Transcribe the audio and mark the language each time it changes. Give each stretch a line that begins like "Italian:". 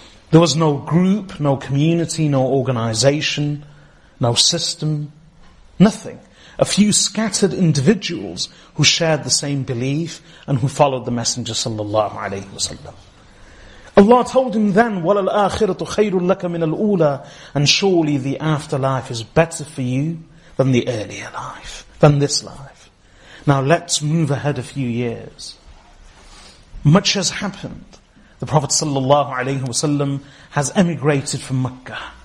English: There was no group, no community, no organization, no system, nothing. A few scattered individuals who shared the same belief and who followed the Messenger sallallahu alayhi wa sallam. Allah told him then,
Arabic: وَلَلْ آخِرَةُ خَيْرٌ لَكَ مِنَ الْأُولَى.
English: And surely the afterlife is better for you than the earlier life, than this life. Now let's move ahead a few years. Much has happened. The Prophet sallallahu alaihi wasallam has emigrated from Mecca.